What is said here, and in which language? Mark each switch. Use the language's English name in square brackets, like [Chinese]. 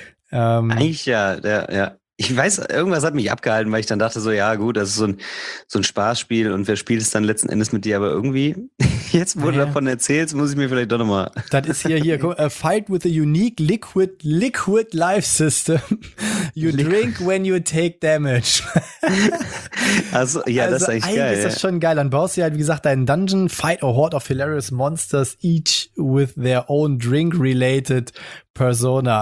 [German] Eigentlich ja. Ich weiß, irgendwas hat mich abgehalten, weil ich dann dachte so, ja gut, das ist so ein Spaßspiel und wer spielt es dann letzten Endes mit dir? Aber irgendwie, jetzt wo du davon erzählst, muss ich mir vielleicht doch nochmal. Das ist hier, guck, [English] a fight with a unique liquid life system. You drink when you take damage. [German] Also, ja, also das ist eigentlich geil. Eigentlich ist das schon geil. Dann baust du halt, wie gesagt, deinen Dungeon, [English] fight a horde of hilarious monsters, each with their own drink-related persona.